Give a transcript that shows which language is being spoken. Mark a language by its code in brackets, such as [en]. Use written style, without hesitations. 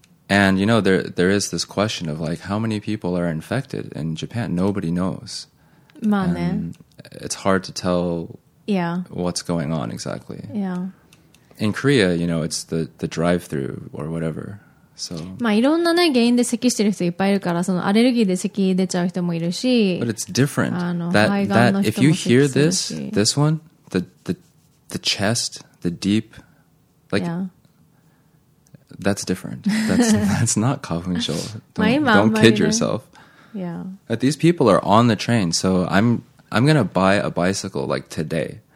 [en] And, you know, there is this question of, like, how many people are infected in Japan? Nobody knows. [ja] まあね。 [en] And it's hard to tell、 yeah. what's going on exactly. Yeah. In Korea, you know, it's the drive-thru or whatever. So, [ja] まあ、いろんなね、原因で咳してる人いっぱいいるから、そのアレルギーで咳出ちゃう人もいるし。 [en] But it's different. That if you hear this one,The chest, the deep, like,、yeah. that's different. That's not kafunsho. Don't kid yourself. Yeah. But these people are on the train, so I'm going to buy a bicycle, like, today.、